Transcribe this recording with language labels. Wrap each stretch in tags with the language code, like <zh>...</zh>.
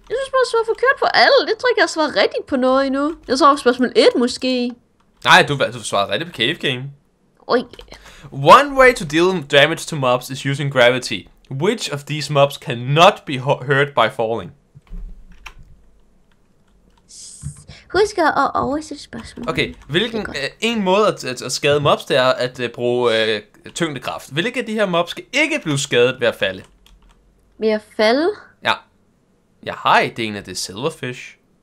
<da>Jeg synes bare, at svare forkert på alt. Det tror jeg ikke, jeg har svaret rigtigt på noget endnu. Jeg tror, spørgsmål 1 måske. Nej, du svarede rigtigt på Cave Game.</da> <en>Oh yeah. One way to deal damage to mobs is using gravity. Which of these mobs cannot be hurt by falling?</en> <da>Husk at oversætte spørgsmålet. Okay, hvilken en måde at skade mobs, det er at bruge tyngdekraft. Hvilke af de her mobs skal ikke blive skadet ved at falde? Ved at falde? Ja. Jeg har ideen, at det er silverfish.</da>